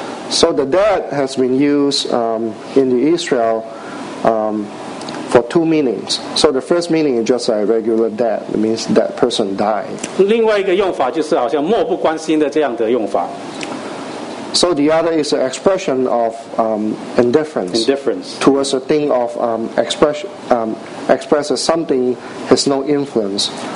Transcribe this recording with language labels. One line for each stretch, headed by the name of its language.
English: So the dead has been used in the Israel for two meanings. So the first meaning is just a regular dead. It means that person died.
Chinese: 另外一个用法就是好像漠不关心的这样的用法。
English: So the other is an expression of indifference towards a thing of expresses something has no influence.